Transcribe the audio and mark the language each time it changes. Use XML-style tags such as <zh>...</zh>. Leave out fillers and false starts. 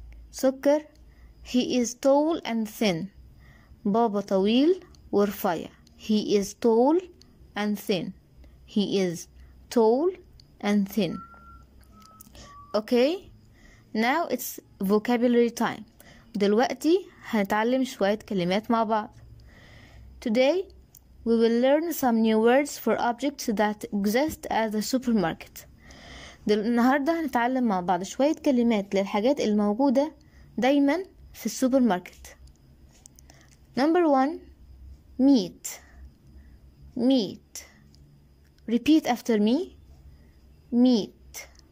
<en>سكر: He is tall and thin.</en> <ar>بابا طويل ورفيع.</ar> <en>He is tall and thin. He is tall and thin. Okay, now it's vocabulary time.</en> <ar>دلوقتي هنتعلم شوية كلمات مع بعض.</ar> <en>Today we will learn some new words for objects that exist at the supermarket.</en> <ar>النهاردة هنتعلم مع بعض شوية كلمات للحاجات الموجودة دايما في السوبر ماركت.</ar> <en>Number one, meat. Meat. Repeat after me. Meat.</en>